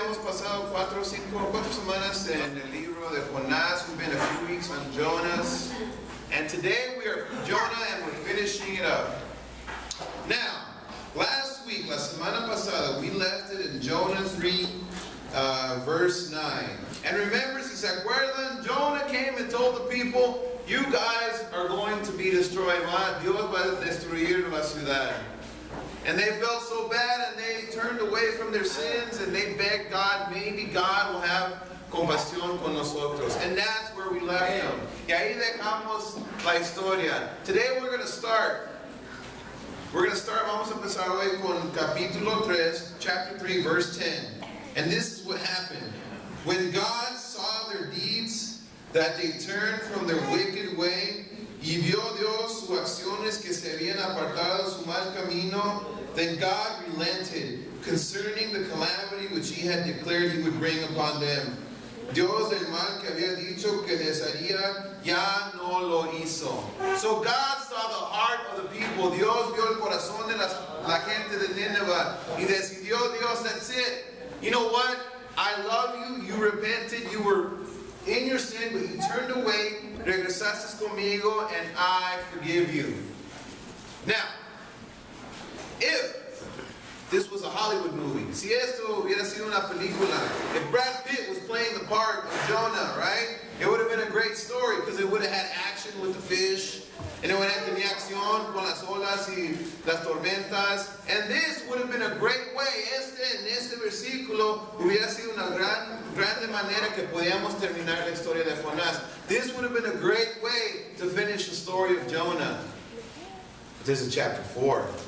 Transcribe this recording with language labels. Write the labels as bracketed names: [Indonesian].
[Spanish] Hemos pasado cuatro semanas en el libro de Jonás. [English] We've been a few weeks on Jonah. And today we are Jonah and we're finishing it up. Now, last week, [Spanish] la semana pasada, [English] we left it in Jonah 3, verse 9. And remember, [Spanish] si se acuerdan, [English] Jonah came and told the people, you guys are going to be destroyed. [Spanish] Dios va a destruir la ciudad. [English] And they felt so bad and they turned away from their sins and they begged God, maybe God will have [Spanish] compasión con nosotros. [English] And that's where we left them. [Spanish] Y ahí dejamos la historia. [English] Today we're going to start. [Spanish] Vamos a empezar hoy con capítulo 3, [English] chapter 3, verse 10. And this is what happened. When God saw their deeds, that they turned from their wicked way, [Spanish] y vio Dios sus acciones que se habían apartado su mal camino, [English] then God relented concerning the calamity which he had declared he would bring upon them. [Spanish] Dios del mal que había dicho que les haría, ya no lo hizo. [English] So God saw the heart of the people. [Spanish] Dios vio el corazón de la gente de Nineveh. Y decidió Dios, [English] that's it. You know what? I love you. You repented. You were in your sin, but you turned away. [Spanish] Regresaste conmigo, [English] and I forgive you. Now, if this was a Hollywood movie, [Spanish] si esto hubiera sido una película, [English] if Brad Pitt was playing the part of Jonah, right? It would have been a great story because it would have had action with the fish, and it would have [Spanish] tenido acción con las olas y las tormentas, [English] and this would have been a great way. [Spanish] Este versículo hubiera sido una grande manera que podíamos terminar la historia de Jonás. [English] This would have been a great way to finish the story of Jonah. But this is chapter 4.